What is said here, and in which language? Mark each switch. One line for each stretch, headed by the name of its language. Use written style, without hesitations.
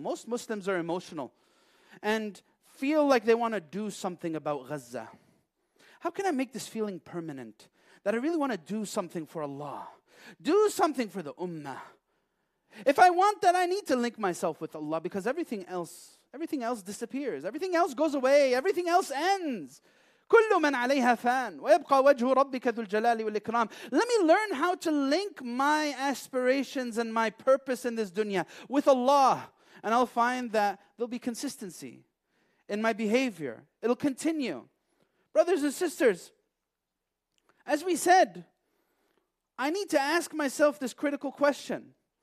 English: Most Muslims are emotional and feel like they want to do something about Gaza. How can I make this feeling permanent? That I really want to do something for Allah. Do something for the Ummah. If I want that, I need to link myself with Allah, because everything else disappears. Everything else goes away. Everything else ends.
Arabic: كل من عليها فان ويبقى وجه ربك ذو الجلال والإكرام.
English: Let me learn how to link my aspirations and my purpose in this dunya with Allah. And I'll find that there'll be consistency in my behavior. It'll continue. Brothers and sisters, As we said, I need to ask myself this critical question.